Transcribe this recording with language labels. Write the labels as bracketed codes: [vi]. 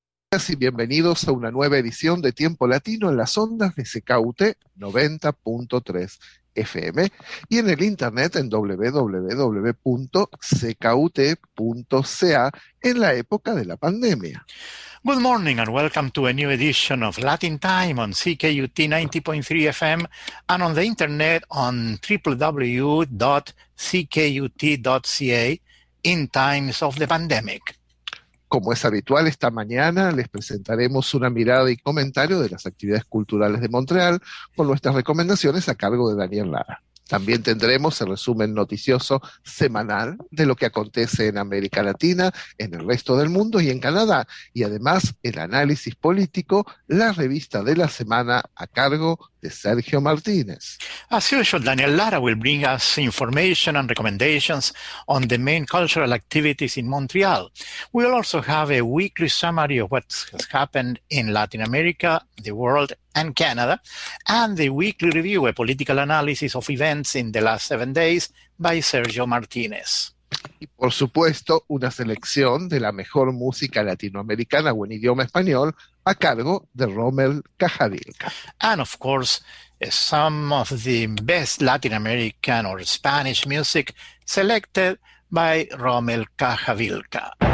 [es] Bienvenidas y bienvenidos a una nueva edición de Tiempo Latino en las ondas de CKUT 90.3 FM y en el internet en www.ckut.ca en la época de la pandemia. [en] Good morning and welcome to a new edition of Latin Time on CKUT 90.3 FM and on the internet on www.ckut.ca in times of the pandemic. [es] Como es habitual, esta mañana les presentaremos una mirada y comentario de las actividades culturales de Montreal con nuestras recomendaciones a cargo de Daniel Lara. También tendremos el resumen noticioso semanal de lo que acontece en América Latina, en el resto del mundo y en Canadá. Y además, el análisis político, la revista de la semana a cargo de Sergio Martínez. [en] As usual, Daniel Lara will bring us information and recommendations on the main cultural activities in Montreal. We'll also have a weekly summary of what has happened in Latin America, the world, and Canada, and the weekly review, a political analysis of events in the last 7 days, by Sergio Martínez. [es] Y por supuesto, una selección de la mejor música latinoamericana o en idioma español a cargo de Rommel Cajadilca. [en] And of course, some of the best Latin American or Spanish music selected by Rommel Cajavilca.